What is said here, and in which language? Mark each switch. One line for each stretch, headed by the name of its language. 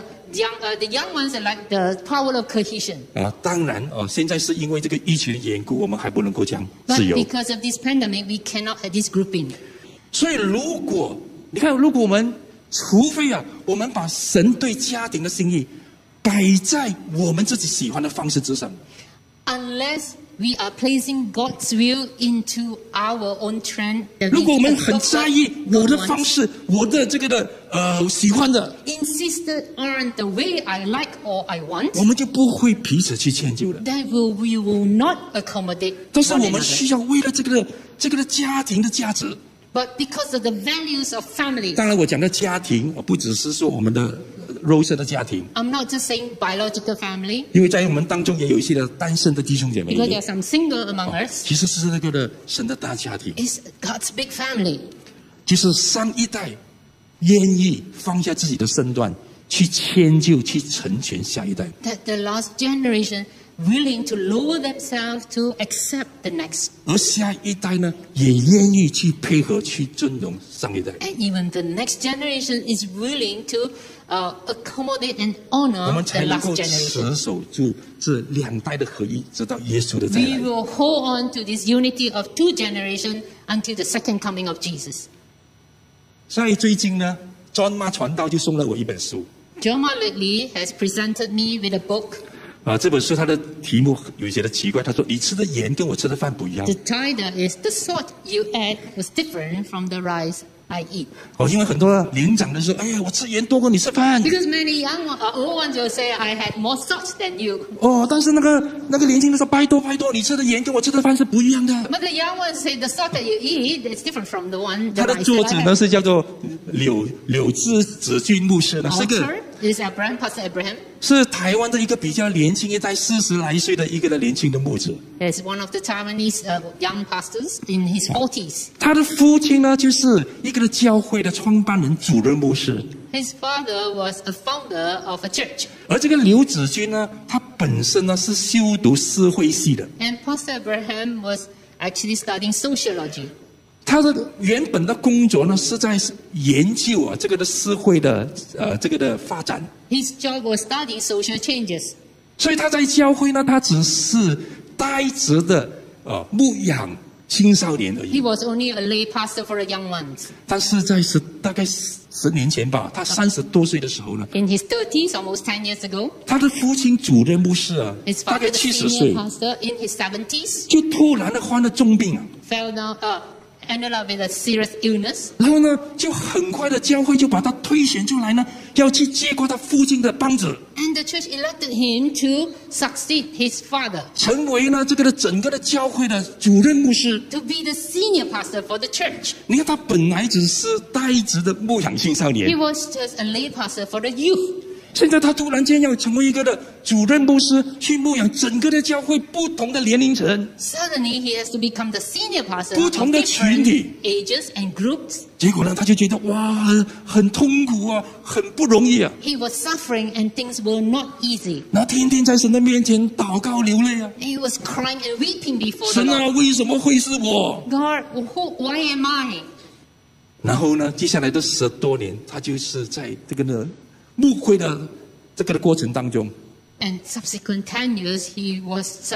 English: The young ones like the power of cohesion.
Chinese: 啊，当然哦，现在是因为这个疫情的缘故，我们还不能够这样自由。
English: But because of this pandemic, we cannot have this grouping.
Chinese: 所以，如果你看，如果我们除非啊，我们把神对家庭的心意摆在我们自己喜欢的方式之上
English: ，unless we are placing God's will into our own trend.
Chinese: 如果我们很在意我的方式，我的这个的。喜欢的
English: insisted on the way I like or I want
Chinese: 我们就不会彼此去迁就了
English: then we will not accommodate
Chinese: 但是我们需要为了这个的家庭的价值
English: but because of the values of family
Chinese: 当然我讲的家庭不只是说我们的肉身的家庭
English: I'm not just saying biological family
Chinese: 因为在我们当中也有一些的单身的弟兄姐妹
English: because there are some single among us
Chinese: 其实是那个的神的大家庭
English: it's God's big family
Chinese: 就是上一代愿意放下自己的身段去迁就去成全下一代
English: that the last generation willing to lower themselves to accept the next
Chinese: 而下一代呢也愿意去配合去尊重上一代
English: and even the next generation is willing to accommodate and honor the last generation
Chinese: 我们才能够持守住这两代的合一直到耶稣的再来
English: we will hold on to this unity of two generations until the second coming of Jesus
Chinese: 所以最近呢 John Ma 传道就送了我一本书
English: John Ma lately has presented me with a book
Chinese: 啊，这本书它的题目有些的奇怪他说你吃的盐跟我吃的饭不一样
English: The title is The salt you add was different from the rice I eat、
Chinese: 哦、因为很多年长的说哎呀，我吃盐多过你吃饭
English: Because many young ones, old ones will say I had more salt than you
Chinese: 哦，但是那个年轻的说拜托拜托你吃的盐跟我吃的饭是不一样的
English: But the young ones say the salt that you eat is different from the one
Chinese: 他的作者呢是叫做柳志子俊牧师是个
English: is Abraham, Pastor Abraham
Chinese: 是台湾的一个比较年轻一代四十来岁的一个的年轻的牧者
English: is one of the Taiwanese young pastors in his 40s
Chinese: 他的父亲呢就是一个的教会的创办人主任牧师
English: his father was a founder of a church
Chinese: 而这个柳子俊呢他本身呢是修读社会系的
English: and Pastor Abraham was actually studying sociology.
Chinese: 他的原本的工作呢，是在研究啊这个的社会的这个的发展。
English: His job was studying social changes.
Chinese: 所以他在教会呢，他只是代职的牧养青少年而已。
English: He was only a lay pastor for a young ones.
Chinese: 但是在大概十年前吧，他三十多岁的时候呢
English: ，In his thirties, almost 10 years ago,
Chinese: 他的父亲主任牧师啊，
English: his father,
Chinese: 大概七十岁
English: pastor, ，In his seventies,
Chinese: 就突然的患了重病啊
English: ，Fell down, ended up with a serious illness.
Chinese: 然后呢，就很快的教会就把他推选出来呢，要去接过他父亲的棒子
English: ，And the church elected him to succeed his father,
Chinese: 成为呢这个的整个的教会的主任牧师
English: ，To be the senior pastor for the church.
Chinese: 你看他本来只是代职的牧养青少年
English: ，He was just a lay pastor for the youth.
Chinese: 现在他突然间要成为一个的主任牧师，去牧养整个的教会不同的年龄层。
English: Suddenly he has to become the senior pastor.
Chinese: 不同的群体
English: ，ages and groups.
Chinese: 结果呢，他就觉得哇，很痛苦啊，很不容易啊。
English: He was suffering and things were not easy.
Chinese: 那天天在神的面前祷告流泪啊。
English: He was crying and weeping before God.
Chinese: 神啊，为什么会是我
English: ？God, who, why am I?
Chinese: 然后呢，接下来的十多年，他就是在这个呢牧会的这个的过程当中。
English: And subsequent 10 years, he was.